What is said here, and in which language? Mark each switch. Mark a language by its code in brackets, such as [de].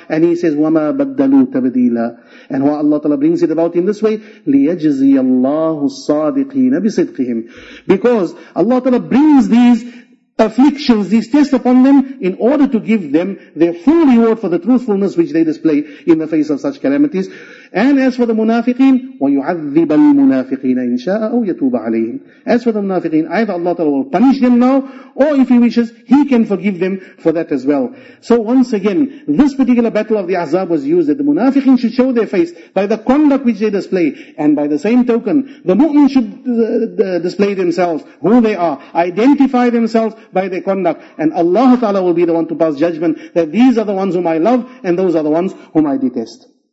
[en] And he says, [ar] وَمَا بَدَّلُوا تَبْدِيلًا. [en] And what Allah Ta'ala brings it about in this way, [ar] لِيَجْزِي اللَّهُ اللَّهُ الصَّادِقِينَ بِصِدْقِهِمْ. [en] Because Allah Ta'ala brings these afflictions, these tests upon them, in order to give them their full reward for the truthfulness which they display in the face of such calamities. And as for the munafiqeen, [ar] وَيُعَذِّبَ الْمُنَافِقِينَ إِن شَاءَ أَوْ يَتُوبَ عَلَيْهِمْ. [en] As for the munafiqeen, either Allah Ta'ala will punish them now, or if He wishes, He can forgive them for that as well. So once again, this particular battle of the Ahzab was used that the munafiqeen should show their face by the conduct which they display, and by the same token, the mu'min should display themselves, who they are, identify themselves by their conduct, and Allah Ta'ala will be the one to pass judgment that these are the ones whom I love, and those are the ones whom I detest.